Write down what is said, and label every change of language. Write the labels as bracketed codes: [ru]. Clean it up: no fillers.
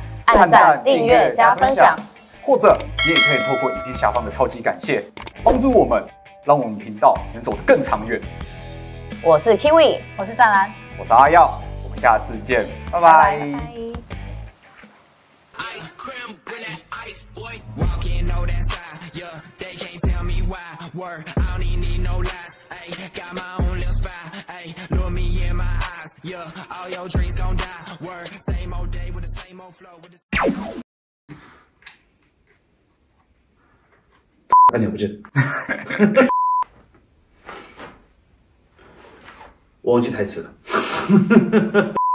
[zh] 按赞、订阅、加分享，或者你也可以透过影片下方的超级感谢帮助我们，让我们频道能走得更长远。我是 Kiwi，我是湛蓝，我是阿耀，我们下次见，拜拜。 [en] Bye bye, bye bye。 Walking all that side, yeah, they can't tell me why. Word, I don't even need no lies, ayy. Got my own little spy, ayy. Lure me in my eyes, yeah. All your dreams gon' die, word. Same old day with the same old flow. With the same... [zh] 按钮不见，我忘记台词了。